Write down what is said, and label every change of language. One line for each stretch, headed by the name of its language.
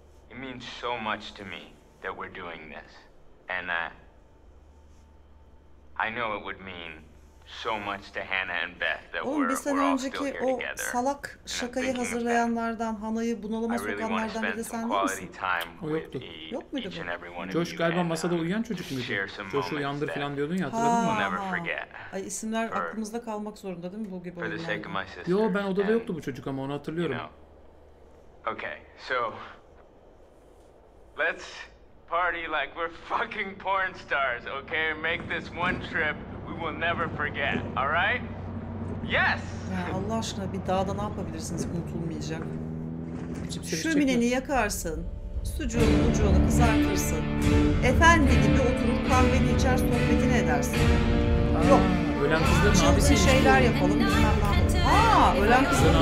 English: It means so much to me that we're doing this. And I know it would mean so much to Hannah and Beth that
Turkish: oğlum,
English: we're all still here together.
Turkish: O salak şakayı hazırlayanlardan, Hannah'ı bunalıma sokanlardan bir de sen değil misin? O yoktu. Yok muydu bu? Josh galiba masada uyuyan çocuk muydu? Josh'u uyandır falan diyordun ya, hatırladın mı? Ay, isimler aklımızda kalmak zorunda değil mi bu gibi oyunlarda? Yo, ben odada yoktu bu çocuk ama onu hatırlıyorum.
English: Okay, so let's party like we're fucking porn stars, okay? Make this one trip we will never forget, all right? Yes!
Turkish: Ya Allah aşkına, bir dağda ne yapabilirsiniz unutulmayacak? Şömineni yakarsın, sucuğunu mucuğunu kızartırsın. Efendi gibi oturup kahveni içer, sohbetini edersin. Yok. Ölen kızların çılgın abisi şeyler işte. Yapalım, bilmem ne yapalım. Haa, ölen kızların